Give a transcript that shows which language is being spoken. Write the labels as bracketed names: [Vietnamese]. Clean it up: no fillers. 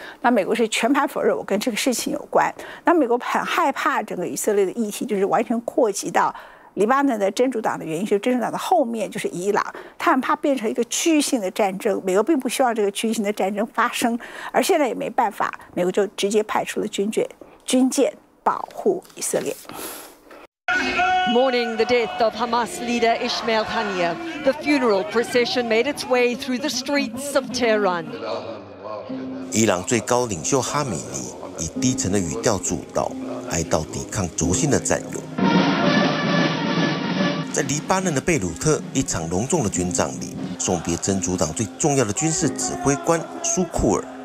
[Chinese] 那美国是全盘否认我跟这个事情有关。那美国很害怕整个以色列的议题就是完全扩及到黎巴嫩的真主党的原因，就是真主党的后面就是伊朗，他很怕变成一个区域性的战争，美国并不希望这个区域性的战争发生，而现在也没办法，美国就直接派出了军舰保护以色列。 [English] Mourning the death of Hamas leader Ismail Haniyeh, the funeral procession made its way through the streets of Tehran. [Chinese] 伊朗最高领袖哈米尼以低沉的语调主导，哀悼抵抗轴心的战友。在黎巴嫩的贝鲁特，一场隆重的军葬礼，送别真主党最重要的军事指挥官苏库尔。